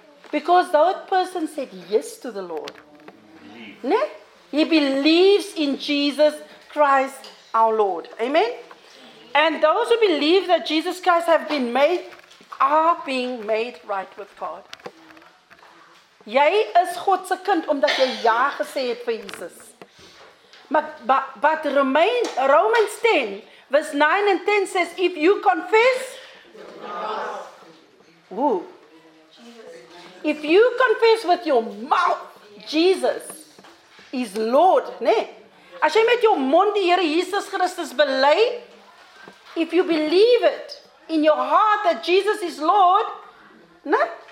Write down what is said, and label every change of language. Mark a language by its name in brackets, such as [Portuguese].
[English] Because that person said yes to the Lord. He believes in Jesus Christ, our Lord. Amen? And those who believe that Jesus Christ have been made are being made right with God. [Afrikaans] Jy is God se kind omdat jy ja gesê het vir Jesus. [English] But Romans 10 verse 9 and 10 says, if you confess, if you confess with your mouth, Jesus is Lord. [Afrikaans] Nee. As jy met jou mond die Here Jesus Christus bely, [English] if you believe it in your heart that Jesus is Lord, [Afrikaans] nee?